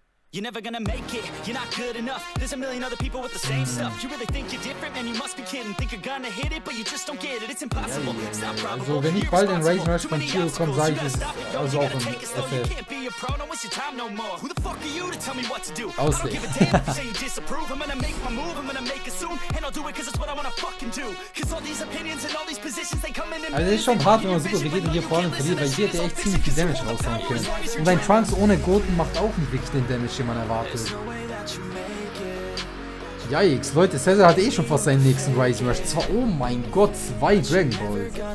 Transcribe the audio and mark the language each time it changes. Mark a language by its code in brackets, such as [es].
[en] You're never gonna make it, you're not good enough. There's a million other people with the same stuff. You really think you're different, man, you must be kidding. Think you're gonna hit it, but you just don't get it. It's impossible, it's not probable. [de] So, wenn ich bald in Rise Rush von Chiro komme, sag ich es also auch im FF. [en] You can't be a pro, no waste your time no more. Who the fuck are you to tell me what to do? I don't give a damn if you say you disapprove. I'm gonna make my move, I'm gonna make it soon. And I'll do it cause it's what I wanna fucking do. Cause all these opinions and all these positions, they come in and... [de] Also, es ist schon hart, wenn man Super Vegeta hier vorne verliert, weil hier hätte echt ziemlich viel Damage raushauen können. Und dein Trunks ohne Goten macht auch einen wichtigen Damage, den man erwartet. Yikes, Leute, Cesar hat eh schon fast seinen nächsten Rising Rush. Zwar, oh mein Gott, zwei Dragon Balls.